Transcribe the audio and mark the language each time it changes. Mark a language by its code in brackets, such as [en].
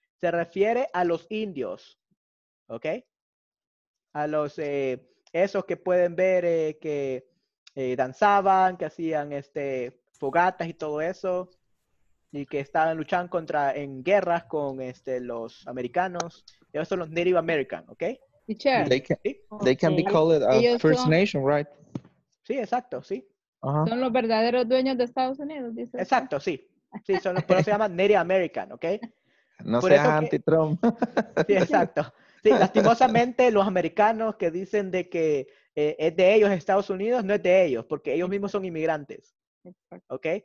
[es] Se refiere a los indios. Okay. A los, esos que pueden ver que danzaban, que hacían fogatas y todo eso. Y que estaban luchando contra, en guerras con los americanos. Ellos son los Native American, ¿ok? [en] They can be called a First Nation, right? [es] Sí, exacto, sí. Uh-huh. Son los verdaderos dueños de Estados Unidos, dice. Exacto, sí. Sí, son los, por eso se llaman Native American, ¿ok? No seas anti-Trump. Sí, exacto. Sí, lastimosamente los americanos que dicen de que es de ellos Estados Unidos, no es de ellos, porque ellos mismos son inmigrantes. ¿Ok?